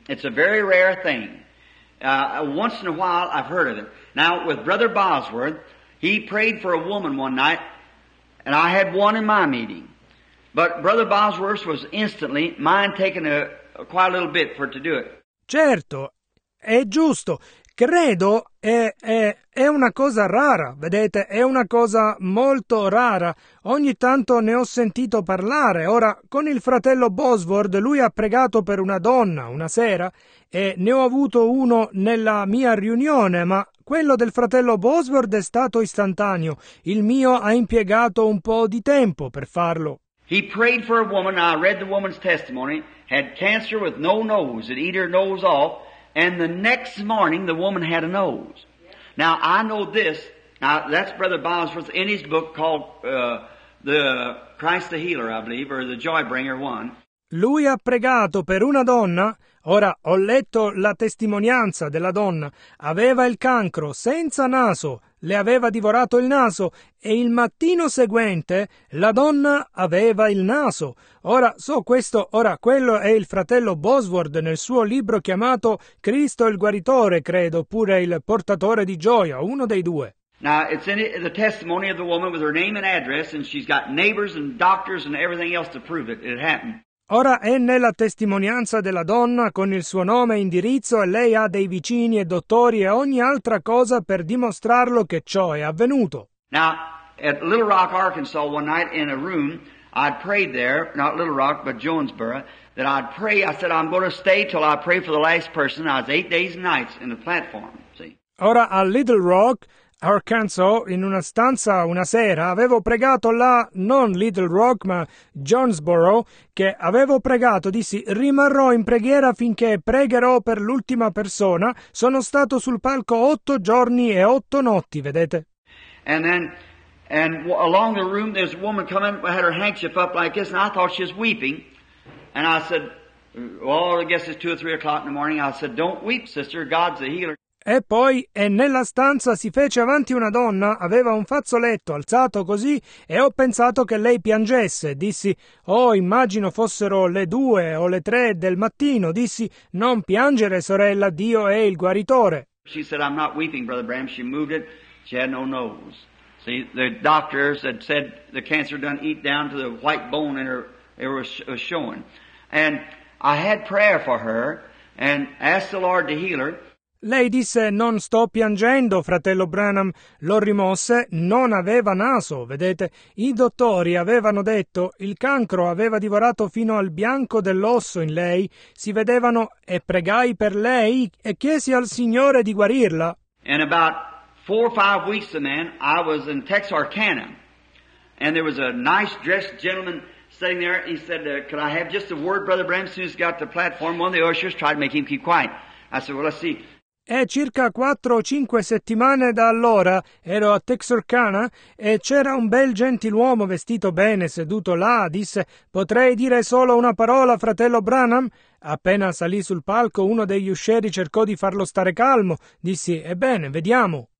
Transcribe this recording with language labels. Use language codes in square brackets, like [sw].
[en] It's a very rare thing. Once in a while, I've heard of it. Now, with Brother Bosworth, he prayed for a woman one night, and I had one in my meeting. But Brother Bosworth was instantly, mine taking quite a little bit for it to do it. [it] Certo, è giusto. Credo è una cosa rara, vedete, è una cosa molto rara. Ogni tanto ne ho sentito parlare. Ora, con il fratello Bosworth, lui ha pregato per una donna una sera e ne ho avuto uno nella mia riunione, ma quello del fratello Bosworth è stato istantaneo. Il mio ha impiegato un po' di tempo per farlo. [en] He prayed for a woman, I read the woman's testimony, had cancer with no nose, it eat her nose off. And the next morning, the woman had a nose. Now, I know this. Now, that's Brother Bosworth in his book called The Christ the Healer, I believe, or The Joy Bringer One. [it] Lui ha pregato per una donna. Ora, ho letto la testimonianza della donna. Aveva il cancro, senza naso. Le aveva divorato il naso e il mattino seguente la donna aveva il naso. Ora so questo, ora quello è il fratello Bosworth nel suo libro chiamato Cristo il guaritore, credo, oppure il portatore di gioia, uno dei due. [en] Now it's in the testimony of the woman with her name and address, and she's got neighbors and doctors and everything else to prove it. It happened. [it] Ora è nella testimonianza della donna con il suo nome e indirizzo e lei ha dei vicini e dottori e ogni altra cosa per dimostrarlo che ciò è avvenuto. [en] Now, at Little Rock, Arkansas, one night in a room, I'd prayed there, not Little Rock, but Jonesboro, that I'd pray, I said, I'm going to stay till I pray for the last person. I was 8 days and nights in the platform, see. [it] Ora a Little Rock, Arkansas, in una stanza una sera, avevo pregato là, non Little Rock, ma Jonesboro, che avevo pregato, dissi, rimarrò in preghiera finché pregherò per l'ultima persona. Sono stato sul palco 8 giorni e 8 notti, vedete? [en] And then, and along the room, there's a woman coming, had her handkerchief up like this, and I thought she was weeping. And I said, well, I guess it's 2 or 3 o'clock in the morning. I said, don't weep, sister, God's a healer. [it] E poi, e nella stanza si fece avanti una donna, aveva un fazzoletto alzato così, e ho pensato che lei piangesse. Dissi, oh, immagino fossero le 2 o le 3 del mattino. Dissi, non piangere, sorella, Dio è il guaritore. [en] She said, I'm not weeping, Brother Bram. She moved it. She had no nose. See, the doctors had said the cancer done eat down to the white bone in her, it was showing. And I had prayer for her and asked the Lord to heal her. [it] Lei disse, non sto piangendo, fratello Branham. Lo rimosse, non aveva naso, vedete. I dottori avevano detto, il cancro aveva divorato fino al bianco dell'osso in lei. Si vedevano e pregai per lei e chiesi al Signore di guarirla. [en] And about 4 or 5 weeks from then, I was in Texarkana. And there was a nice dressed gentleman sitting there. He said, could I have just a word, Brother Branham, as soon as he got the platform? One of the ushers tried to make him keep quiet. I said, well, let's see. [it] È circa 4 o 5 settimane da allora, ero a Texarkana e c'era un bel gentiluomo vestito bene seduto là, disse, potrei dire solo una parola, fratello Branham? Appena salì sul palco, uno degli usceri cercò di farlo stare calmo, dissi, ebbene, vediamo.